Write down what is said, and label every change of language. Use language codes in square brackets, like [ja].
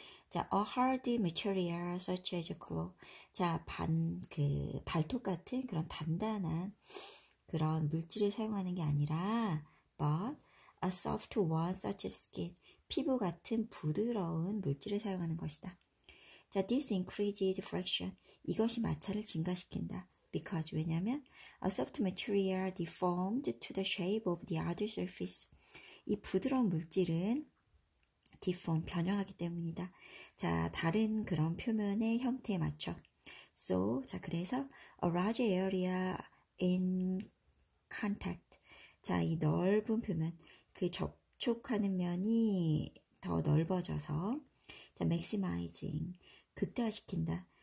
[en] 자, a hard material such as a claw. [ko] 자, 발톱 같은 그런 단단한 그런 물질을 사용하는 게 아니라 [en] but a soft one such as skin. [ko] 피부 같은 부드러운 물질을 사용하는 것이다. [en] 자, this increases friction. [ko] 이것이 마찰을 증가시킨다. [en] Because, 왜냐면, a soft material deformed to the shape of the other surface. [ko] 이 부드러운 물질은 deform, 변형하기 때문이다. 자, 다른 그런 표면의 형태에 맞춰. [en] So, [ko] 자, 그래서 [en] a large area in contact. [ko] 자, 이 넓은 표면, 그 접촉하는 면이 더 넓어져서 maximizing 극대화시킨다.